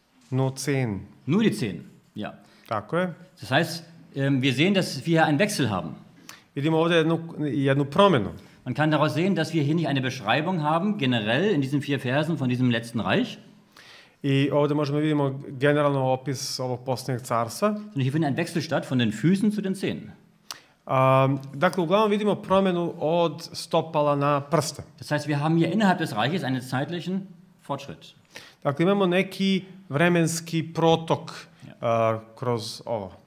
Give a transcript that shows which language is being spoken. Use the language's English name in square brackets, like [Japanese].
[German] Nur Zehen. Nur die Zehen, ja. [Serbian] Tako je. [German] Das heißt, wir sehen, dass wir hier einen Wechsel haben. [Serbian] Vidimo ovdje jednu promjenu. [German] Man kann daraus sehen, dass wir hier nicht eine Beschreibung haben, generell in diesen vier Versen von diesem letzten Reich. [Serbian] I ovdje možemo vidimo generalno opis ovog posljednjeg carstva. [German] Und hier findet ein Wechsel statt von den Füßen zu den Zehen. [Serbian] Dakle, uglavnom vidimo promjenu od stopala na prste. [German] Das heißt, wir haben hier innerhalb des Reiches einen zeitlichen Fortschritt. [Serbian] Dakle, imamo neki vremenski protok kroz ovo.